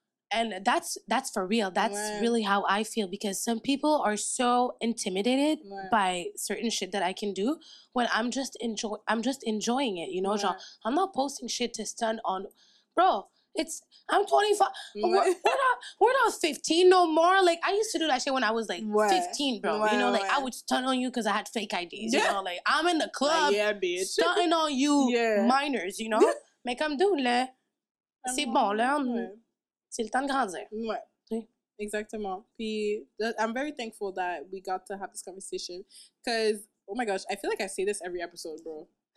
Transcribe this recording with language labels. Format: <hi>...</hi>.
<en>And that's for real. That's really how I feel because some people are so intimidated by certain shit that I can do when I'm just enjoying it, you know? Genre, I'm not posting shit to stunt on, bro. I'm 25, we're not 15 no more. Like, I used to do that shit when I was, like, 15, bro. You know, like, I would stunt on you because I had fake IDs, you know? Like, I'm in the club, bitch. Stunting on you minors, you know?</en> <fr>Mais comme d'où, là, c'est bon, là, c'est le temps de grandir. Exactement.</fr> <en>Puis, I'm very thankful that we got to have this conversation because, oh my gosh, I feel like I say this every episode, bro.</en>